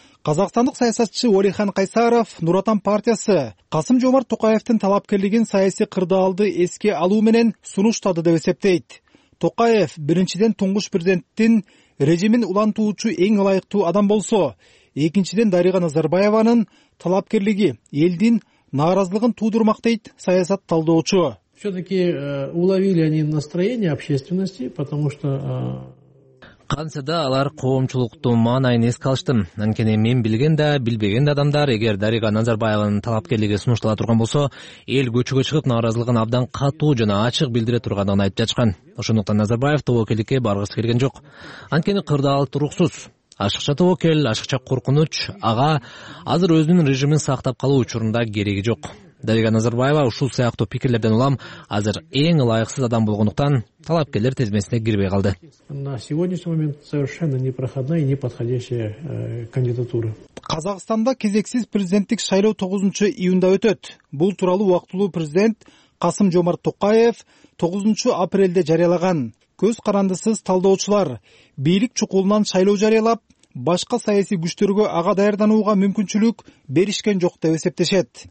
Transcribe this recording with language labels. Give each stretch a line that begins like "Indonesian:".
Kyrgyz: Казакстандык саясатчы Олихан Кайсаров Нур Отан партиясы Касым Жомарт Токаевдин талапкерлигин саясий кырдаалды эске алуу менен сунуштады деп эсептейт. Токаев биринчиден туңгуш президенттин режимин улантуучу эң ылайыктуу адам болсо, экинчиден Дарига Назарбаеванын талапкерлиги элдин нааразылыгын туудурмак, дейт саясат талдоочу.
Russian: Все-таки уловили они настроение общественности, потому что
Kyrgyz: Канса да алар коомчулукту маанайын эске алыштым. Анткени мен билген да, билбеген да адамдар эгер Дарига Назарбаеванын талапкерлиги сунуштала турган болсо, эл көчөгө чыгып нааразылыгын абдан катуу жана ачык билдире тургандыгын айтып жатышкан. Ошондуктан Назарбаев тобокелдикке баргысы келген жок. Анткени кырдаалтуу уруксуз. Ашыкча тобокел, ашыкча коркунуч ага азыр өзүнүн режимин сактап калуу учурунда кереги жок. Дарига Назарбаева ушул сыяктуу пикирлерден улам азыр эң ылайыксыз адам болгондуктан талапкерлер тизмесине кирбей калды.
Russian: На сегодняшний момент совершенно непроходная и неподходящая кандидатура.
Kyrgyz: Казакстанда кезексиз президенттик шайлоо 9 июнда өтөт. Бул тууралуу убактылуу президент Касым Жомарт Токаев 9 апрелде жарыялаган. Көз карандысыз талдоочулар бийлик чукулунан шайлоо жарыялап, башка саясий күчтөргө ага даярданууга мүмкүнчүлүк беришкен жок деп эсептешет.